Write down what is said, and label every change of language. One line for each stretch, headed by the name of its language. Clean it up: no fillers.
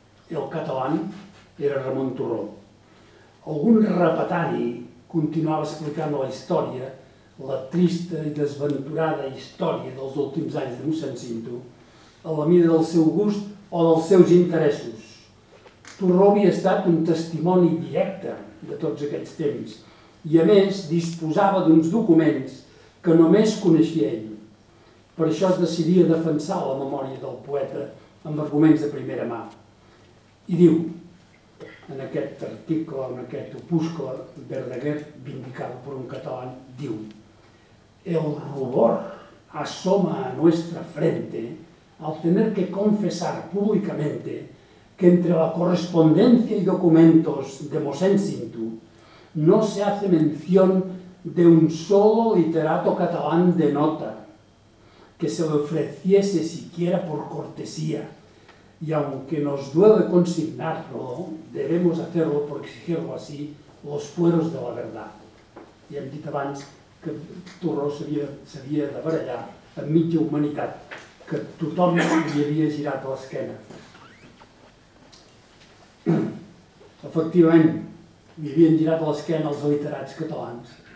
Catalan: El català era Ramon Torró. Algun repetari continuava explicant la història, la trista i desventurada història dels últims anys de mossèn Cinto, a la mida del seu gust o dels seus interessos. Torró havia estat un testimoni directe de tots aquests temps i, a més, disposava d'uns documents que només coneixia ell. Per això es decidia defensar la memòria del poeta amb arguments de primera mà. I diu, en aquest article, en aquest opuscle, Verdaguer,
Spanish: vindicado por un catalán,
Catalan: diu:
Spanish: el rubor asoma a nuestra frente al tener que confesar públicamente que entre la correspondencia y documentos de mossèn Cinto no se hace mención de un solo literato catalán de nota que se le ofreciese siquiera por cortesía. Y aunque nos duele consignarlo, debemos hacerlo por exigirlo así los fueros de la verdad.
Catalan: I hem dit abans que Torró s'havia de barallar amb mitja humanitat, que tothom li havia girat l'esquena. Efectivament, li havien girat l'esquena els literats catalans.